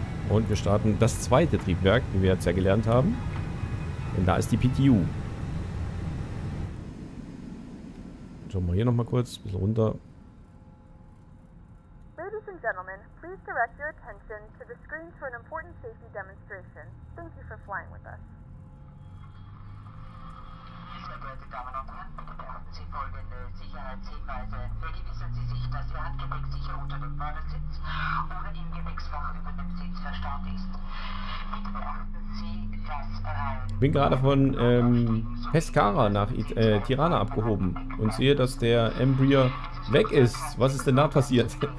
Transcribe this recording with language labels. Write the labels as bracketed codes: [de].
[de] Und wir starten das zweite Triebwerk, wie wir jetzt ja gelernt haben. Denn da ist die PTU. Schauen wir hier nochmal kurz, ein bisschen runter. [en] Ladies and gentlemen, please direct your attention to the screen for an important safety demonstration. Thank you for flying with us. [de] Sehr geehrte Damen und Herren, bitte beachten Sie folgende Sicherheitshinweise. Vergewissern Sie sich, dass Ihr Handgepäck sicher unter dem Vordersitz oder im Gepäckfach über dem Sitz verstaut ist. Bitte beachten Sie, dass ich bin gerade von Pescara nach Tirana abgehoben und sehe, dass der Embraer weg ist. Was ist denn da passiert?